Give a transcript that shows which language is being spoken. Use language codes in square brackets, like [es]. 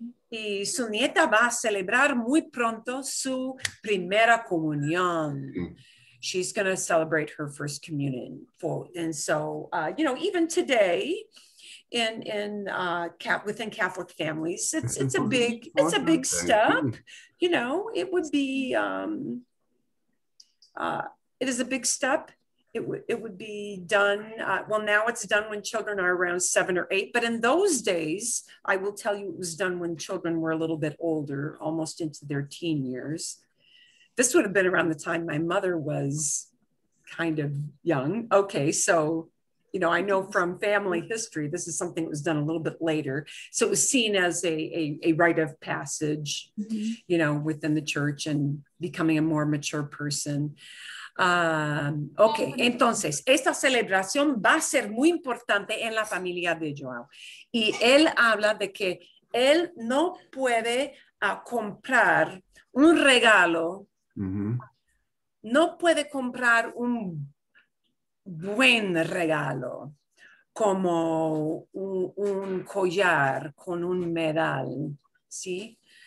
[es] Y su nieta va a celebrar muy pronto su primera comunión. [en] She's going to celebrate her first communion. And so, you know, even today within Catholic families, it's a big step. You know, it would be, it is a big step. It would be done, now it's done when children are around 7 or 8, but in those days, I will tell you, it was done when children were a little bit older, almost into their teen years. This would have been around the time my mother was kind of young. Okay, so, you know, I know from family history, this is something that was done a little bit later. So it was seen as a rite of passage, mm-hmm. you know, within the church and becoming a more mature person. [es] Okay, entonces, esta celebración va a ser muy importante en la familia de Joao. Y él habla de que él no puede comprar un regalo, no puede comprar un buen regalo, como un collar con un [en] medal, [es] ¿sí?